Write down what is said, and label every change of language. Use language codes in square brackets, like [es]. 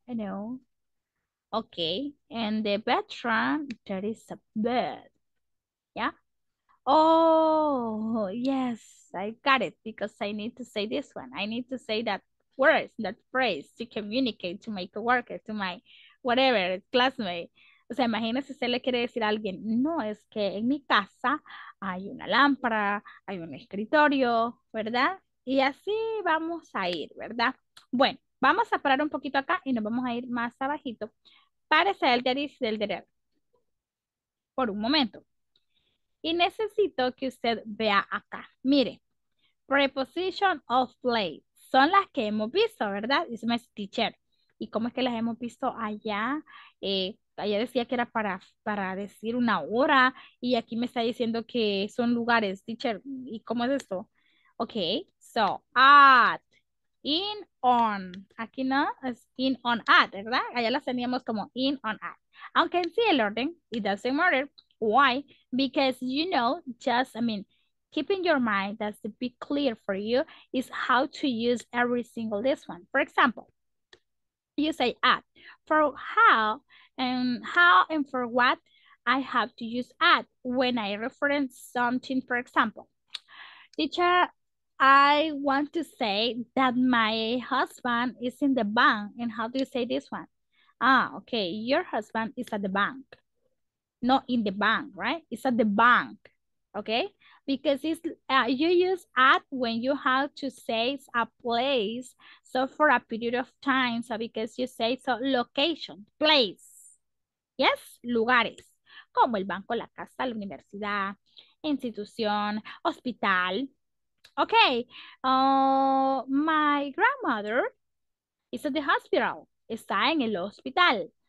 [en] I know. Okay. And the veteran, that is a bird. Yeah. Oh, yes. I got it because I need to say this one. I need to say that word, that phrase to communicate to my coworker, to my whatever, classmate. [es] O sea, imagínese, usted le quiere decir a alguien, no, es que en mi casa hay una lámpara, hay un escritorio, ¿verdad? Y así vamos a ir, ¿verdad? Bueno, vamos a parar un poquito acá y nos vamos a ir más abajito. Párese el deris del derecho. Por un momento. Y necesito que usted vea acá. Mire, preposition of place. Son las que hemos visto, ¿verdad? Dice [en] my teacher. [es] ¿Y cómo es que las hemos visto allá? Ella decía que era para decir una hora y aquí me está diciendo que son lugares, teacher, ¿y cómo es esto? Ok, so, at, in, on, aquí no, es in, on, at, ¿verdad? Allá las teníamos como in, on, at, aunque en sí el orden, [en] it doesn't matter, why? Because, you know, just, I mean, keep in your mind that's to be clear for you is how to use every single this one. For example, you say at, for how, and how and for what I have to use at when I reference something, for example. Teacher, I want to say that my husband is in the bank. And how do you say this one? Ah, okay. Your husband is at the bank. Not in the bank, right? It's at the bank. Okay? Because it's, you use at when you have to say a place. So for a period of time. So because you say so location, place. [es] Yes, lugares, como el banco, la casa, la universidad, institución, hospital. [en] Okay, my grandmother is at the hospital, [es] está en el hospital.